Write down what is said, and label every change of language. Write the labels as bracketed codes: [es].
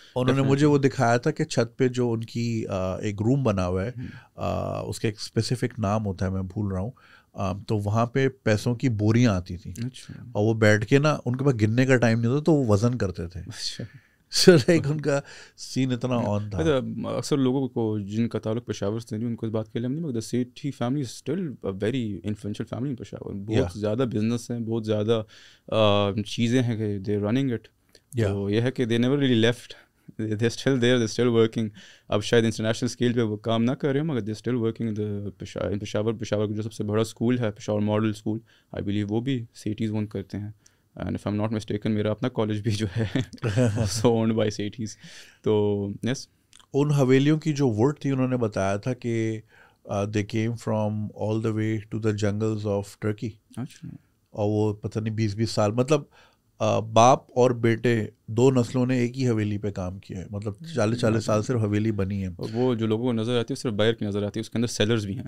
[ur] انہوں نے مجھے وہ دکھایا تھا کہ چھت پہ جو ان کی ایک روم بنا ہوا ہے, اس کا ایک اسپیسیفک نام ہوتا ہے میں بھول رہا ہوں, تو وہاں پہ پیسوں کی بوریاں آتی تھیں اور وہ بیٹھ کے نا, ان کے پاس گننے کا ٹائم نہیں ہوتا تو وہ وزن کرتے تھے. ان کا سین اتنا آن تھا. اکثر لوگوں کو جن کا تعلق پشاور سے نہیں, ان کو اس بات کے علم نہیں, مگر [en] The Sethi family is still very influential family in Peshawar. [ur] بہت زیادہ بزنس ہیں, بہت زیادہ چیزیں ہیں کہ [en] They running it. [ur] تو یہ ہے کہ [en] They never really left, they still there, they still working. [ur] اب شاید انٹرنیشنل اسکیل پہ وہ کام نہ کر رہے ہوں, مگر [en] They still working in Peshawar. [ur] Peshawar کا جو سب سے بڑا اسکول ہے Peshawar model school, [en] I believe [ur] وہ بھی سیٹیز اون کرتے ہیں. [en] And if I'm not mistaken, [ur] میرا اپنا کالج بھی جو ہے [en] owned by Sethis. تو yes, [ur] ان حویلیوں کی جو ورڈ تھی انہوں نے بتایا تھا کہ [en] They came from all the way to the jungles of Turkey. [ur] اچھا. اور وہ پتہ نہیں 20-20 سال, مطلب باپ اور بیٹے دو نسلوں نے ایک ہی حویلی پہ کام کیا ہے, مطلب 40-40 سال صرف حویلی بنی ہے. وہ جو لوگوں کو نظر آتی ہے صرف باہر کی نظر آتی ہے, اس کے اندر سیلرز بھی ہیں.